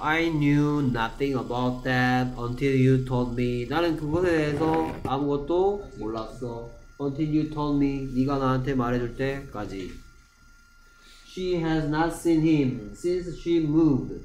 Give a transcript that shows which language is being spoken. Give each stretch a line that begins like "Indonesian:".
English: I knew nothing about that until you told me.
Korean: 나는 그것에 대해서 아무것도 몰랐어.
English: Until you told me.
Korean: 네가 나한테 말해줄 때까지.
English: She has not seen him since she moved.